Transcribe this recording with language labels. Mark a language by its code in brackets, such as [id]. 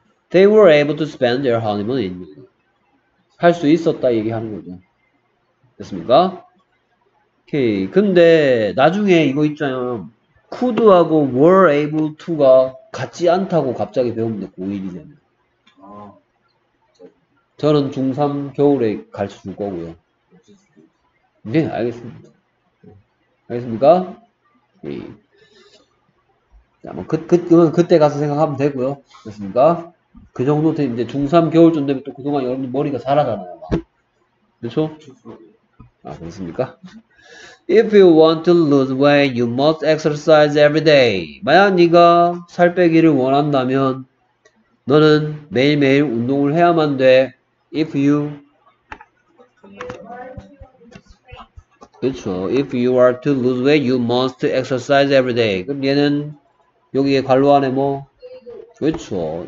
[en] They were able to spend their honeymoon in. [ko] 할 수 있었다 얘기하는 거죠. 됐습니까? 오케이. 근데 나중에 이거 있잖아요. could하고 [en] were able to [ko] 가 같지 않다고 갑자기 배우면 되고 5일이 되면. 저는 중3 겨울에 가르쳐 줄 거고요. 네, 알겠습니다. 알겠습니까? 예. 자, 뭐, 그때 가서 생각하면 되고요. 됐습니까? 그 정도 되 이제 중3 겨울쯤 되면 또 그동안 여러분들 머리가 자라잖아요. 그쵸? 아, 그렇습니까? [en] If you want to lose weight, you must exercise every day. [ko] 만약 네가 살 빼기를 원한다면, 너는 매일매일 운동을 해야만 돼. [en] If you, [ko] 그렇죠. [en] If you are to lose weight, you must exercise every day. [ko] 그럼 얘는 여기에 관로 안에 뭐, 그렇죠.